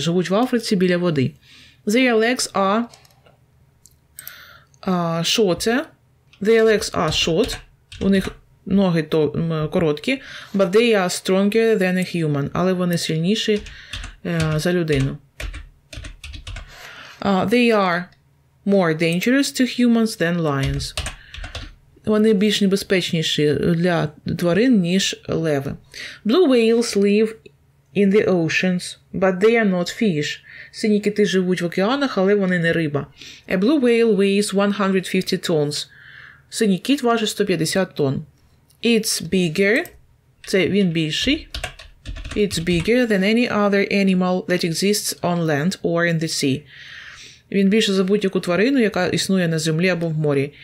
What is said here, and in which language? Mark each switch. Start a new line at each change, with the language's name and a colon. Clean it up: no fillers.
Ukrainian: Живуть в Африці біля води.
English: Their legs are shorter. Their legs are short.
Ukrainian: У них ноги короткі.
English: But they are stronger than a human.
Ukrainian: Але вони сильніші за людину.
English: They are more dangerous to humans than lions.
Ukrainian: вони більш небезпечніші для тварин, ніж леви.
English: Blue whales live in the oceans, but they are not fish.
Ukrainian: Сині кити живуть в океанах, але вони не риба.
English: A blue whale weighs 150 tons.
Ukrainian: Синій кіт важить 150 тонн.
English: It's bigger.
Ukrainian: Це він більший.
English: It's bigger than any other animal that exists on land or in the sea.
Ukrainian: Він більше за будь-яку тварину, яка існує на землі або в морі.